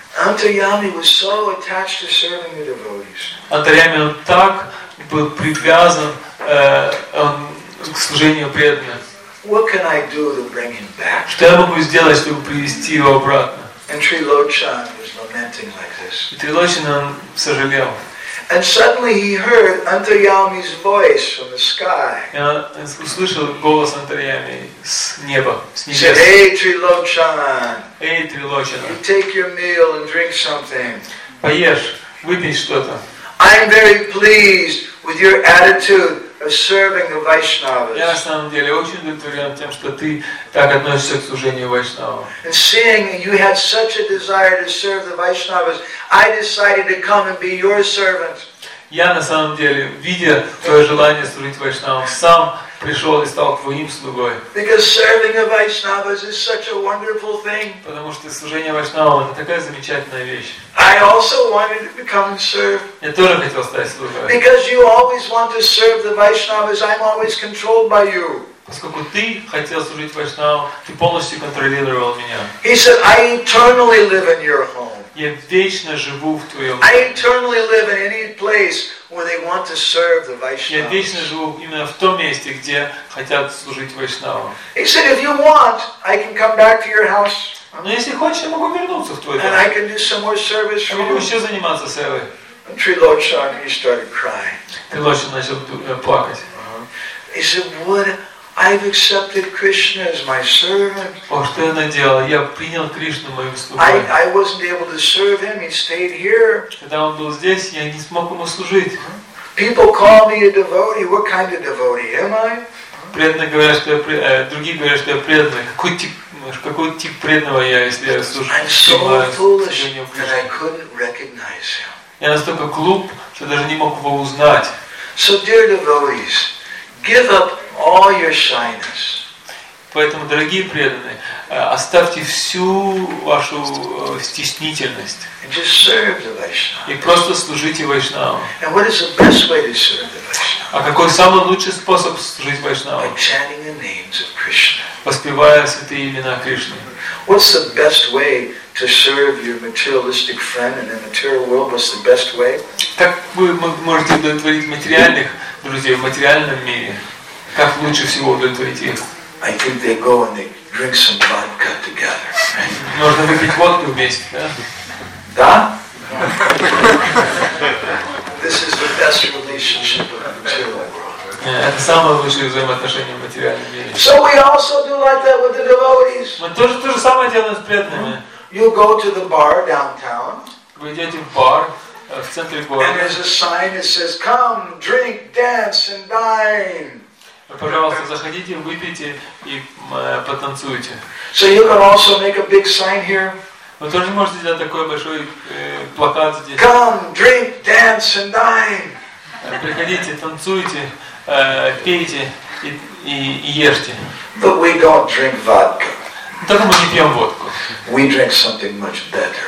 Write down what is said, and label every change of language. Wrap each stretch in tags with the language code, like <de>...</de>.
<en>Antaryami was so attached to serving the devotees.</en> <ru>Антарями так был привязан к служению преданным.</ru> <en>What can I do to bring him back?</en> <ru>Что я могу сделать, чтобы привести его обратно?</ru> <en>And Trilochan was lamenting like this.</en> <ru>Трилочан сожалел.</ru> <en>And suddenly he heard Antaryami's voice from the sky.</en> <ru>Он услышал голос Антарьями с неба, с небес.</ru> <en>He said, "Hey, Трилочан.</en> <ru>Эй, Трилочан.</ru> <en>You take your meal and drink something.</en> <ru>Поешь, выпей что-то.</ru> <en>I am very pleased with your attitude of serving the Vaishnavas.</en> <ru>Я на самом деле очень удовлетворен тем, что ты так относишься к служению Вайшнавам.</ru> <en>And seeing you had such a desire to serve the Vaishnavas, I decided to come and be your servant.</en> <ru>Я на самом деле, видя твое желание служить Вайшнавам, сам пришел и стал твоим слугой.</ru> <en>Because serving the Vaishnavas is such a wonderful thing.</en> <ru>Потому что служение Вайшнавам это такая замечательная вещь.</ru> <en>I also wanted to come and serve.</en> <ru>Я тоже хотел стать слугой.</ru> <en>Because you always want to serve the Vaishnavas, I'm always controlled by you.</en> <ru>Поскольку ты хотел служить Вайшнавам, ты полностью контролировал меня.</ru> <en>He said, I eternally live in your home.</en> <ru>Я вечно живу в твоем.</ru> <en>I eternally live in any place where they want to serve the Vaishnavas.</en> <ru>Я вечно живу именно в том месте, где хотят служить Вайшнавам.</ru> <en>He said, if you want, I can come back to your house.</en> <ru>Но если хочешь, я могу вернуться в твой дом.</ru> <en>And I can do some more service for you.</en> <ru>Я могу еще заниматься севой.</ru> <en>And Трилочан, he started crying.</en> <ru>Трилочан начал плакать.</ru> <en>He said, what? I've accepted Krishna as my servant.</en> <ru>О, что я наделал? Я принял Кришну моим слугой.</ru> <en>I wasn't able to serve him. He stayed here.</en> <ru>Когда он был здесь, я не смог ему служить.</ru> <en>People call me a devotee. What kind of devotee am I?</en> <ru>Преданные говорят, что я другие говорят, что я преданный. Какой тип преданного я, если я служу?</ru> <en>I'm so foolish that I couldn't recognize him.</en> <ru>Я настолько глуп, что даже не мог его узнать.</ru> <en>So dear devotees, give up all your shyness.</en> <ru>Поэтому, дорогие преданные, оставьте всю вашу стеснительность.</ru> <en>Just serve the Vaishnavas.</en> <ru>И просто служите Вайшнавам.</ru> <en>And what is the best way to serve the Vaishnavas?</en> <ru>А какой самый лучший способ служить Вайшнавам?</ru> <en>By chanting the names of Krishna.</en> <ru>Воспевая святые имена Кришны.</ru> <en>What's the best way to serve your materialistic friend in the material world? What's the best way?</en> <ru>Как вы можете удовлетворить материальных друзей в материальном мире? Как лучше всего удовлетворить их?</ru> <en>I think they go and they drink some vodka together.</en> <ru>Можно выпить водку вместе, да? Да?</ru> <en>This is the best relationship in the material world.</en> <ru>Это самое лучшее взаимоотношение в материальном мире.</ru> <en>So we also do like that with the devotees.</en> <ru>Мы тоже то же самое делаем с преданными.</ru> <en>You go to the bar downtown.</en> <ru>Вы идете в бар в центре города.</ru> <en>And there's a sign that says, "Come, drink, dance, and dine."</en> <ru>Пожалуйста, заходите, выпейте и потанцуйте.</ru> <en>So you can also make a big sign here.</en> <ru>Вы тоже можете сделать такой большой плакат здесь.</ru> <en>Come, drink, dance, and dine.</en> <ru>Приходите, танцуйте, пейте и ешьте.</ru> <en>But we don't drink vodka.</en> <ru>Только мы не пьем водку.</ru> <en>We drink something much better.</en>